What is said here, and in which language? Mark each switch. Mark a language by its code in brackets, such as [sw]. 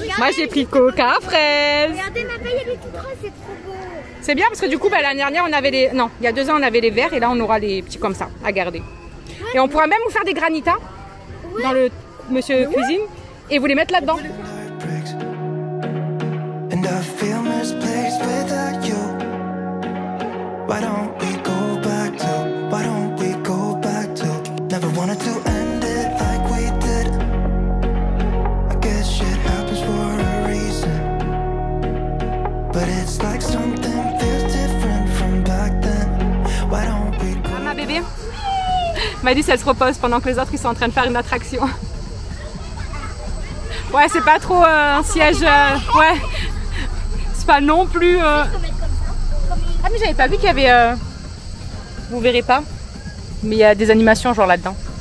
[fr] Moi j'ai pris Coca fraise. Regardez ma paille, elle est toute rose, c'est trop beau. C'est bien parce que du coup bah, l'année dernière on avait les. Non, il y a deux ans on avait les verts et là on aura les petits comme ça à garder. Ouais, et on pourra même vous faire des granitas dans le monsieur cuisine et vous les mettre là-dedans. [en] And I feel misplaced without you. Why don't we go back to? Why don't we go back to? Never wanted to end it like we did. I guess shit happens for a reason. But it's like something feels different from back then. Why don't we go back to? [fr] Ah, ma bébé. Madis, elle se repose pendant que les autres ils sont en train de faire une attraction. Ouais, c'est pas trop un siège. Ouais. Pas non plus Ah mais j'avais pas vu qu'il y avait vous verrez pas mais il y a des animations genre là-dedans.